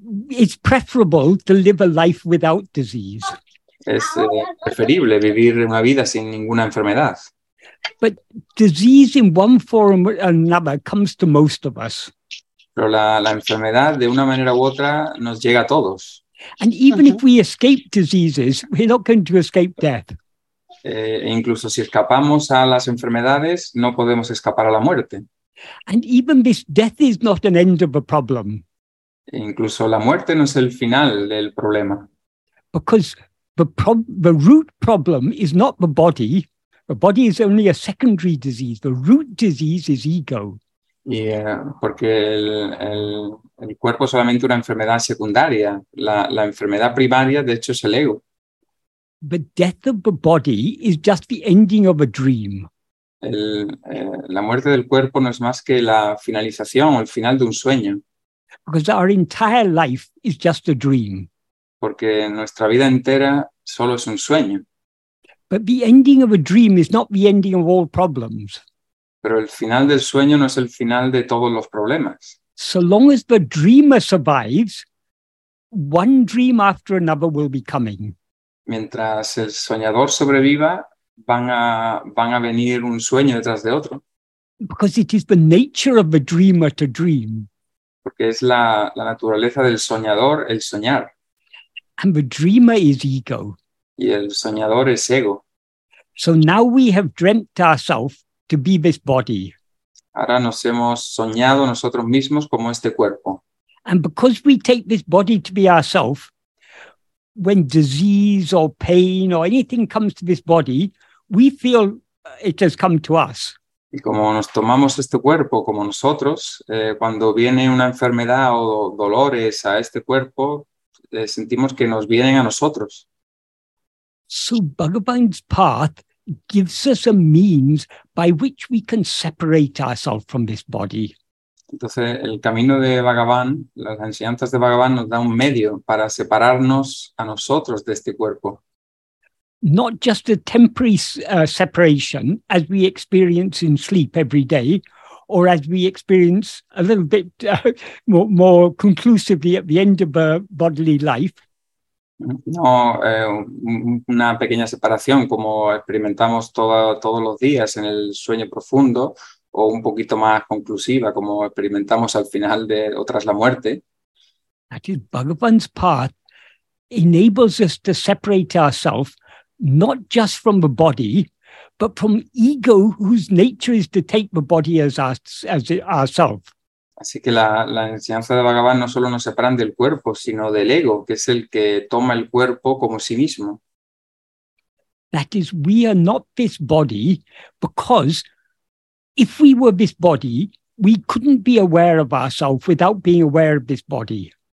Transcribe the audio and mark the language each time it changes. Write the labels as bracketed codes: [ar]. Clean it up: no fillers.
[en] It's preferable to live a life without disease. [es] Es preferible vivir una vida sin ninguna enfermedad. [en] But disease in one form or another comes to most of us. [es] Pero la enfermedad de una manera u otra nos llega a todos. [en] And even if we escape diseases, we're not going to escape death. [es] Incluso si escapamos a las enfermedades, no podemos escapar a la muerte. [en] And even this death is not an end of a problem. [es] Incluso la muerte no es el final del problema. [en] Because the root problem is not the body. The body is only a secondary disease. The root disease is ego. [es] Yeah, porque el cuerpo es solamente una enfermedad secundaria. La enfermedad primaria, de hecho, es el ego. [en] The death of the body is just the ending of a dream. [es] La muerte del cuerpo no es más que la finalización o el final de un sueño. [en] Because our entire life is just a dream. [es] Porque nuestra vida entera solo es un sueño. [en] But the ending of a dream is not the ending of all problems. [es] Pero el final del sueño no es el final de todos los problemas. [en] So long as the dreamer survives, one dream after another will be coming. [es] Mientras el soñador sobreviva, van a venir un sueño detrás de otro. [en] Because it is the nature of the dreamer to dream. [es] Porque es la naturaleza del soñador el soñar. [en] And the dreamer is ego. [es] Y el soñador es ego. [en] So now we have dreamt ourselves to be this body. [es] Ahora nos hemos soñado nosotros mismos como este cuerpo. [en] And because we take this body to be ourselves, when disease or pain or anything comes to this body, we feel it has come to us. [es] Y como nos tomamos este cuerpo como nosotros, cuando viene una enfermedad o dolores a este cuerpo, sentimos que nos vienen a nosotros. [en] So Bhagavan's path gives us a means by which we can separate ourselves from this body. [es] Entonces, el camino de Bhagavan, las enseñanzas de Bhagavan nos da un medio para separarnos a nosotros de este cuerpo. [en] Not just a temporary separation, as we experience in sleep every day, or as we experience a little bit more conclusively at the end of a bodily life. [es] No, una pequeña separación, como experimentamos todos los días en el sueño profundo, o un poquito más conclusiva, como experimentamos al final de, o tras la muerte. [en] That is, Bhagavan's path enables us to separate ourselves, not just from the body, but from ego, whose nature is to take the body as ourselves. [es] Así que la enseñanza de Bhagavan no solo nos separan del cuerpo, sino del ego, que es el que toma el cuerpo como sí mismo. [en] That is, we are not this body, because if we were this body, we couldn't be aware of ourselves without being aware of this body.